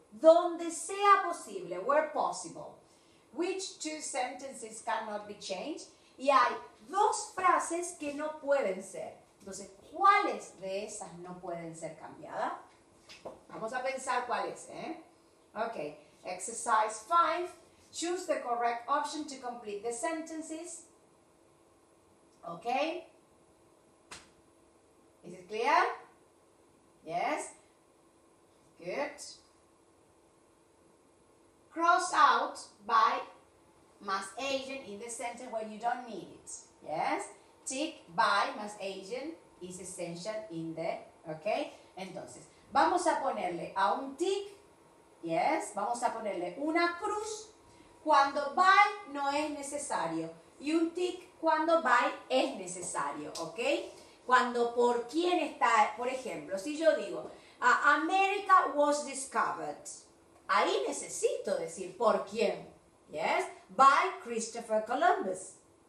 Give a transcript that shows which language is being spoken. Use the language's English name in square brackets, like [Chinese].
[Spanish] Donde sea posible, [English] where possible. Which two sentences cannot be changed? [Spanish] Y hay dos frases que no pueden ser. Entonces, ¿cuáles de esas no pueden ser cambiadas? Vamos a pensar cuáles, ¿eh? Ok. Exercise 5. [English] Choose the correct option to complete the sentences. Ok. Is it clear? Yes. Good. Cross out by must agent in the sentence where you don't need it. Yes. Tick by must agent is essential in the. Ok. [Spanish] Entonces, vamos a ponerle a un tick, yes, vamos a ponerle una cruz cuando by no es necesario y un tick cuando by es necesario, ¿ok? Cuando por quién está, por ejemplo, si yo digo, [English] America was discovered, [Spanish] ahí necesito decir por quién, yes, [English] by Christopher Columbus.